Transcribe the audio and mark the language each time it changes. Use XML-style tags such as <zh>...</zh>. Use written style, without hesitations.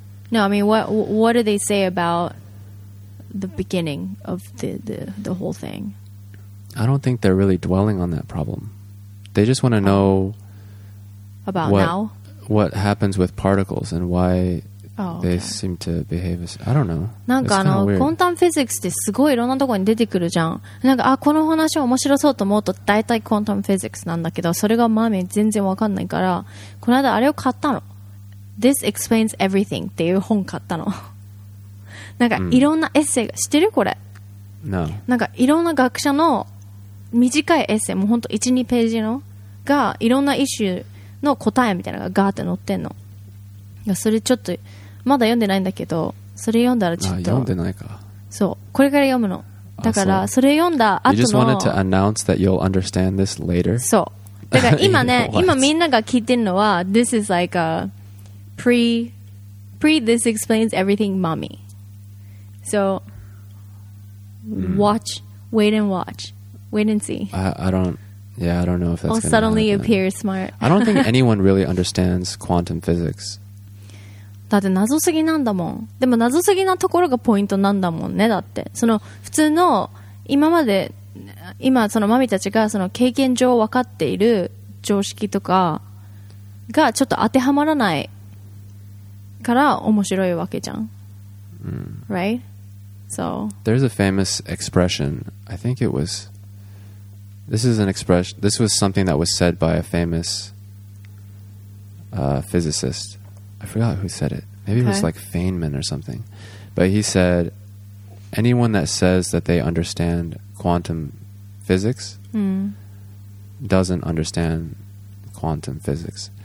<en>No, I mean, what do they say about the beginning of the whole thing? I don't think they're really dwelling on that problem. They just want to know. About now? What happens with particles and why they seem to behave as... I don't know.</en> <ja>なんかコンタンフィジックスってすごいいろんなとこに出てくるじゃん。なんかこの話面白そうと思うと大体コンタンフィジックスなんだけど、それがマーメン全然わかんないから、この間あれを買ったの。 This Explains Everything っていう本買ったの。なんかいろんなエッセイが、知ってるこれ。</ja> <en>No.</en> <ja>なんかいろんな学者の短いエッセイ、もうほんと1、2ページのがいろんなイシューの答えみたいなのがガーって載ってんの。それちょっとまだ読んでないんだけど、それ読んだらちょっと読んでないか。そう、これから読むの。だからそれ読んだ後の。</ja> <en>You just wanted to announce that you'll understand this later.</en> <ja>そう。だから今ね、今みんなが聞いてるのは、</ja> <en>This is like a pre This</en> <ja>Explains Everything,</ja> <en>mommy.</en> <ja>So watch, wait and watch, wait and see. I don't know if that's. I'll suddenly appear smart. I don't think anyone really understands quantum physics. だって謎すぎなんだもん。でも謎すぎなところがポイントなんだもんね。だってその普通の今そのマミたちがその経験上分かっている常識とかがちょっと当てはまらないから面白いわけじゃん、 mm.</ja> <en>Right? So there's a famous expression. I think it was This is an expression. This was something that was said by a famous physicist. I forgot who said it. Maybe it was like Feynman or something. But he said, anyone that says that they understand quantum physics doesn't understand quantum physics.</en>